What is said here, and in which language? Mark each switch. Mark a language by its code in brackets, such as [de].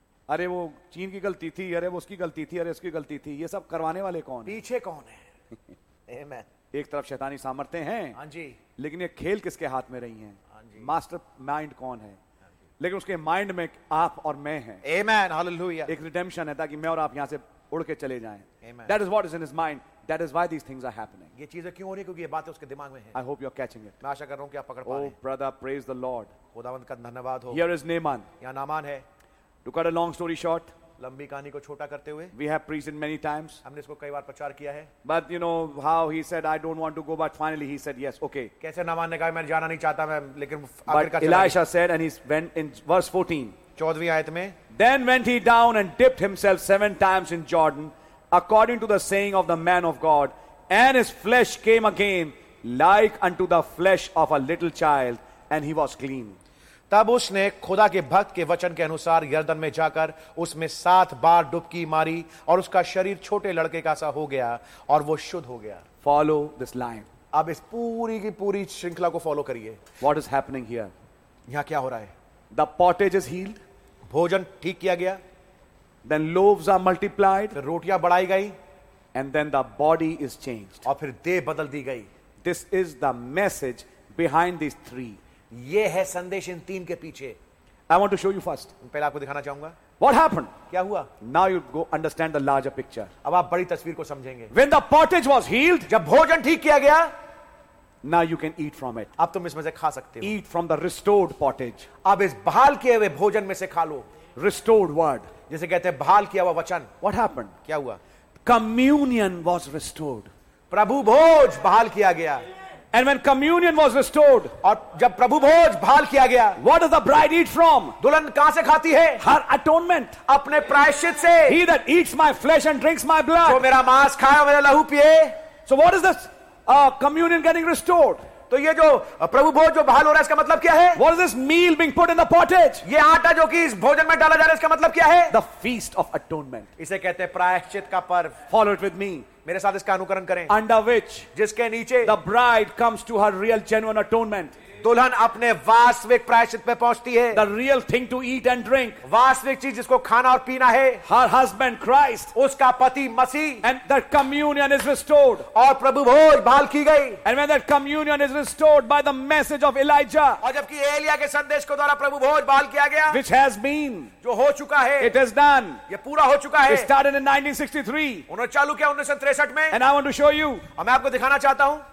[hi] अरे वो चीन की गलती थी, अरे वो उसकी गलती थी, अरे उसकी गलती थी, ये सब करवाने वाले कौन? पीछे कौन है? Amen. एक तरफ शैतानी सामर्थ्य हैं, हाँ जी, लेकिन ये खेल किसके हाथ में रही हैं? हाँ जी. मास्टर माइंड कौन है? लेकिन उसके माइंड में आप और मैं हैं. Amen. Hallelujah. एक रिडेम्पशन है ताकि मैं और आप यहां से उड़ के चले जाएं. [en] That is what is in his mind. That is why these things are happening. [hi] ये चीजें क्यों हो रही हैं? क्योंकि ये बातें उसके दिमाग में हैं. [en] I hope you are catching it. [hi] मैं आशा कर रहा हूँ कि आप पकड़ पा रहे हैं. [en] Oh brother, praise the Lord. [hi] खुदावंत का धन्यवाद हो. [en] Here is Naaman. [hi] यहाँ नामान है. [en] To cut a long story short. [hi] लंबी कहानी को छोटा करते हुए. [en] We have preached many times. [hi] हमने इसको कई बार प्रचार किया है. [en] But you know how he said, I don't want to go, but finally he said yes, okay. [hi] कैसे नामान ने कहा मैं जाना नहीं चाहता मैं, लेकिन आखिरकार. [en] Elisha said, and he went in verse 14. [hi] 14वीं आयत में. [en] Then went he down and dipped himself 7 times in Jordan. According to the saying of the man of God, and his flesh came again like unto the flesh of a little child, and he was clean. [hi] तब उसने खुदा के भक्त के वचन के अनुसार यर्दन में जाकर उसमें 7 बार डुबकी मारी, और उसका शरीर छोटे लड़के का सा हो गया, और वो शुद्ध हो गया. [en] Follow this line. [hi] अब इस पूरी की पूरी श्रृंखला को फॉलो करिए. [en] What is happening here? [hi] यहां क्या हो रहा है? [en] The pottage is healed. [hi] भोजन ठीक किया गया. [en] Then loaves are multiplied. [hi] रोटियां बढ़ाई गई. [en] And then the body is changed. [hi] और फिर देह बदल दी गई. [en] This is the message behind these three. [hi] ये है संदेश इन तीन के पीछे. [en] I want to show you first. [hi] पहले आपको दिखाना चाहूंगा. [en] What happened? [hi] क्या हुआ? [en] Now you go understand the larger picture. [hi] अब आप बड़ी तस्वीर को समझेंगे. [en] When the pottage was healed. [hi] जब भोजन ठीक किया गया. [en] Now you can eat from it. [hi] अब तुम इसमें से खा सकते हो. [en] Eat from the restored pottage. [hi] अब इस बहाल किए हुए भोजन में से खा लो. [en] Restored word. [hi] जैसे कहते हैं बहाल किया हुआ वचन. [en] What happened? [hi] क्या हुआ? [en] Communion was restored. [hi] प्रभु भोज बहाल किया गया. [en] And when communion was restored. [hi] और जब प्रभु भोज बहाल किया गया. [en] What does the bride eat from? [hi] दुल्हन कहां से खाती है? [en] Her atonement. [hi] अपने प्रायश्चित से. [en] He that eats my flesh and drinks my blood. [hi] जो मेरा मांस खाए और मेरा लहू पिए. [en] So what is this communion getting restored? [hi] तो ये जो प्रभु भोज जो बहाल हो रहा है, इसका मतलब क्या है? [en] What is this meal being put in the pottage? [hi] ये आटा जो कि इस भोजन में डाला जा रहा है, इसका मतलब क्या है? [en] The feast of atonement. [hi] इसे कहते हैं प्रायश्चित का पर्व. [en] Follow it with me. [hi] मेरे साथ इसका अनुकरण करें. [en] Under which? [hi] जिसके नीचे. [en] The bride comes to her real genuine atonement. [hi] दुल्हन अपने वास्तविक प्रायश्चित पे पहुंचती है. [en] The real thing to eat and drink. [hi] वास्तविक चीज जिसको खाना और पीना है. [en] Her husband Christ. [hi] उसका पति मसीह. [en] And that communion is restored. [hi] और प्रभु भोज बहाल की गई. [en] And when that communion is restored by the message of Elijah. [hi] और जबकि एलिया के संदेश को द्वारा प्रभु भोज बहाल किया गया. [en] Which has been. [hi] जो हो चुका है. [en] It is done. [hi] ये पूरा हो चुका है. [en] It started in 1963. [hi] उन्होंने चालू किया 1963 में. [en] And I want to show you. [hi] और मैं आपको दिखाना चाहता हूँ.